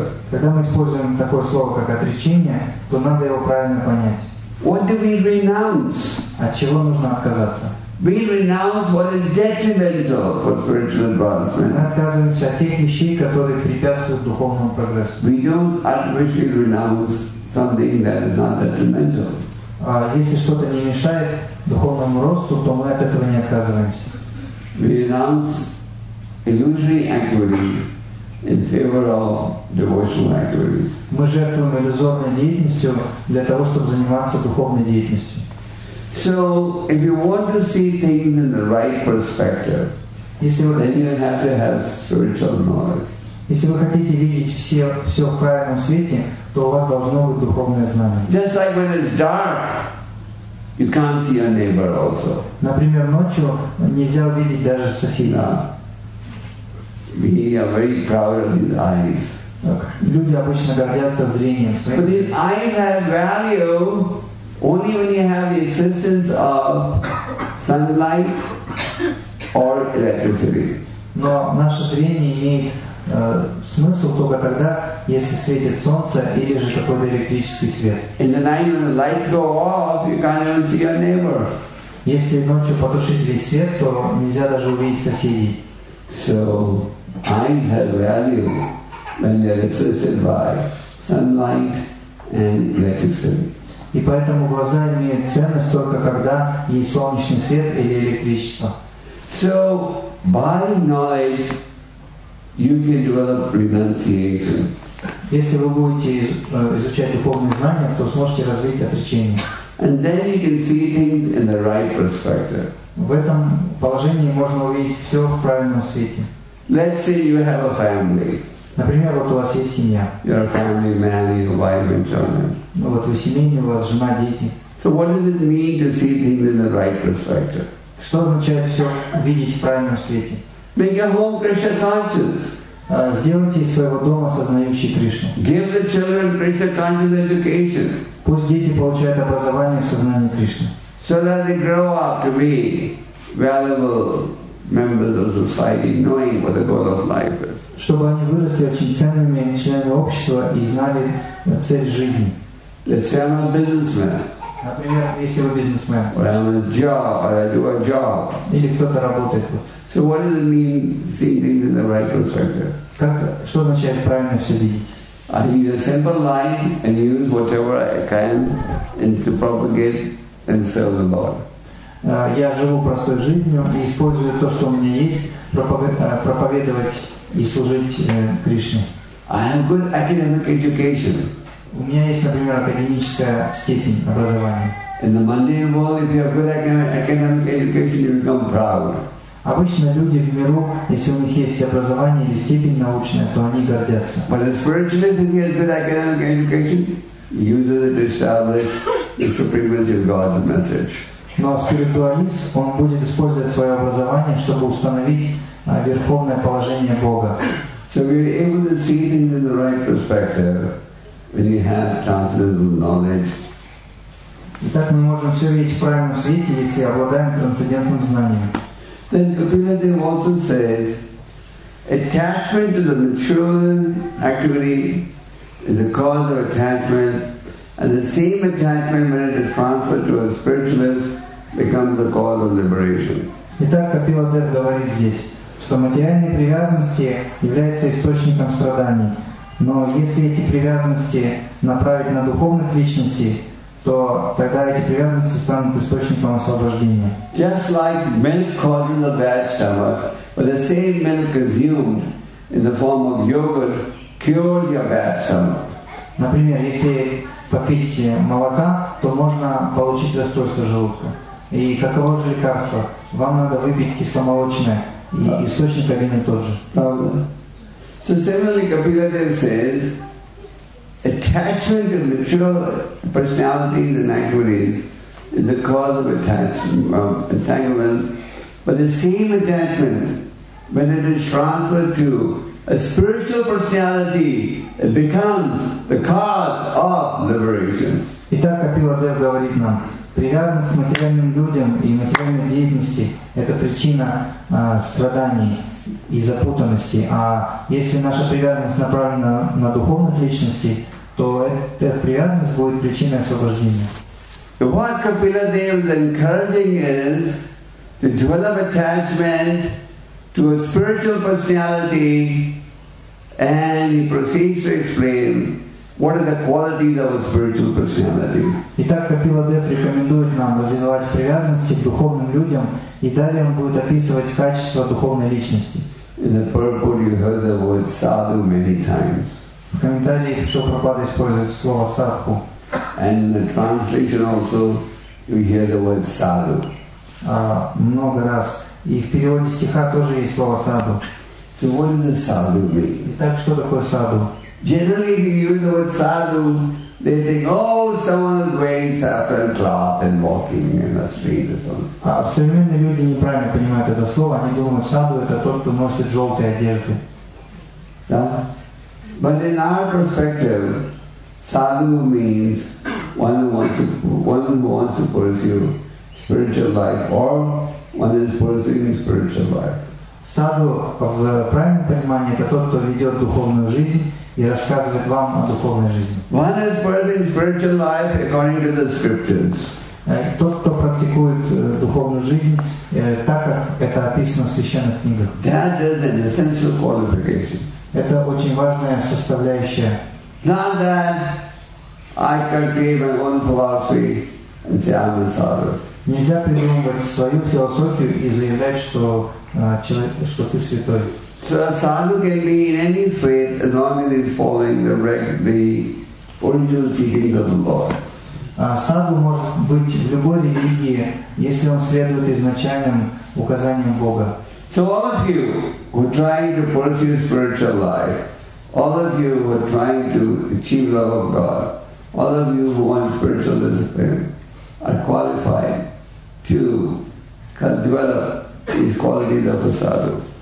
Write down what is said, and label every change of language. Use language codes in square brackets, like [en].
[ru] когда мы используем такое слово, как отречение, то надо его правильно понять. [en] What do we renounce? [ru] От чего нужно отказаться? [en] We renounce what is detrimental for spiritual advancement. [ru] Мы отказываемся от тех вещей, которые препятствуют духовному прогрессу. [en] We don't artificially renounce something that is not detrimental. [ru] А если что-то не мешает духовному росту, то мы от этого не отказываемся. [en] We renounce illusory activity in favor of devotional activity. [ru] Мы жертвуем иллюзорной деятельностью для того, чтобы заниматься духовной деятельностью. [en] So, if you want to see things in the right perspective, then you have to have spiritual knowledge. [ru] Если вы хотите видеть все в правильном свете, то у вас должно быть духовное знание. [en] Just like when it's dark, you can't see your neighbor also. [ru] Например, ночью нельзя увидеть даже соседа. [en] We are very proud of his eyes. [ru] Люди обычно гордятся зрением. [en] But his eyes have value only when you have the assistance of sunlight or electricity. [ru] Но наше зрение имеет смысл только тогда, если светит солнце или же какой-то электрический свет. [en] In the night when the lights go off, you can't even see your neighbor. [ru] Если ночью потушить весь свет, то нельзя даже увидеть соседей. [en] So eyes have value when they are assisted by sunlight and electricity. [ru] И поэтому глаза имеют ценность только когда есть солнечный свет или электричество. [en] So by knowledge you can develop renunciation. [ru] Если вы будете изучать духовные знания, то сможете развить отречение. [en] And then you can see things in the right perspective. [ru] В этом положении можно увидеть все в правильном свете. [en] Let's say you have a family. [ru] Например, вот у вас есть семья. [en] You're a family man, your wife and children. [ru] Ну вот вы семейный, у вас жена, дети. [en] So what does it mean to see things in the right perspective? [ru] Что означает все видеть в правильном свете? [en] Make your home Krishna conscious. [ru] Сделайте из своего дома сознающий Кришну. [en] Give the children Krishna conscious education. [ru] Пусть дети получают образование в сознании Кришны. [en] So that they grow up to be valuable members of society, knowing what the goal of life is. [ru] Чтобы они выросли очень ценными членами общества и знали цель жизни. [en] Let's say I'm a businessman. [ru] Например, если вы бизнесмен. [en] Or I'm a job, or I do a job. [ru] Или кто-то работает. [en] So what does it mean seeing things in the right perspective? [ru] Как, что означает правильно все видеть? [en] I lead a simple life and use whatever I can and to propagate and serve the Lord. [ru] Я живу простой жизнью и использую то, что у меня есть, проповедовать и служить Кришне. [en] I have good academic education. [ru] У меня есть, например, академическая степень образования. [en] In the mundane world, if you have good academic education, you become proud. [ru] Обычно люди в миру, если у них есть образование или степень научная, то они гордятся. [en] But a spiritualist, if he has good academic education, uses it to establish the supremacy of God's message. [ru] Но спиритуалист, он будет использовать свое образование, чтобы установить верховное положение Бога. [en] So we are able to see things in the right perspective when you have transcendental knowledge. [ru] Итак, мы можем все видеть в правильном свете, если обладаем трансцендентным знанием. [en] Then Kapila Dev also says, attachment to the material activity is the cause of attachment, and the same attachment when it is transferred to a spiritualist becomes the cause of liberation. [ru] Итак, Капила Дев говорит здесь, что материальные привязанности являются источником страданий, но если эти привязанности направить на духовных личностей, то тогда эти привязанности станут источником освобождения. [en] Just like milk causes a bad stomach, but the same milk consumed in the form of yogurt cures your bad stomach. [ru] Например, если попить молока, то можно получить расстройство желудка. И каково же лекарство? Вам надо выпить кисломолочное, и источник один и тот же. Правда? [en] So similarly, Kapila Dev says, attachment to material personalities and activities is the cause of entanglement, but the same attachment, when it is transferred to a spiritual personality, it becomes the cause of liberation. [ru] Итак, Капила Дев говорит нам, привязанность к материальным людям и материальной деятельности – это причина страданий и запутанности. А если наша привязанность направлена на духовных личностей, то эта привязанность будет причиной освобождения. [en] What Kapila Dev is encouraging is to develop attachment to a spiritual personality, and he proceeds to explain what are the qualities of a spiritual personality. [ru] Итак, Капила Дев рекомендует нам развивать привязанности к духовным людям, и далее он будет описывать качества духовной личности. [en] In the purport, you heard the word sadhu many times. [ru] В комментариях Шопрапада использует слово садху. [en] And in the translation also, you hear the word sadhu. [ru] Много раз. И в переводе стиха тоже есть слово садху. [en] So what does sadhu mean? [ru] Итак, что такое садху? [en] Generally, if you use the word sadhu, they think, oh, someone is wearing saffron cloth and walking in the street or something. [ru] А современные люди неправильно понимают это слово. Они думают, садху – это тот, кто носит желтые одежды. Да? [en] But in our perspective, sadhu means one who wants to pursue spiritual life or one is pursuing spiritual life. [ru] Sadhu, в правильном понимании, это тот, кто ведет духовную жизнь и рассказывает вам о духовной жизни. [en] One is pursuing spiritual life according to the scriptures. [ru] Тот, кто практикует духовную жизнь, так как это описано в священных книгах. [en] That is an essential qualification. [ru] Это очень важная составляющая. [en] Not that I can create my own philosophy and say I'm a sadhu. [ru] Нельзя придумывать свою философию и заявлять, что человек, что ты святой. [en] So a sadhu can be in any faith as long as he's following the original teachings of the Lord. [ru] Sadhu может быть в любой религии, если он следует изначальным указаниям Бога. [en] So all of you who are trying to pursue spiritual life, all of you who are trying to achieve love of God, all of you who want spiritual discipline, are qualified to develop these qualities of a sadhu.